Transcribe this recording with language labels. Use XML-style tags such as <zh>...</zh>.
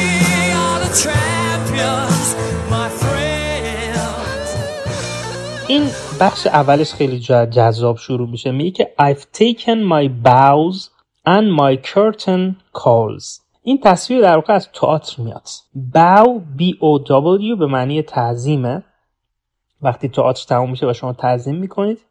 <en>We are the champions, my friends.</en> <fa>In بخش اولش خیلی جذاب شروع میشه. میگه که</fa> <en>I've taken my bows and my curtain calls.</en> <fa>این تصویر در واقع از تئاتر میاد. Bow B-O-W به معنی تعظیمه، وقتی تئاتر تموم میشه و شما تعظیم میکنید.</fa>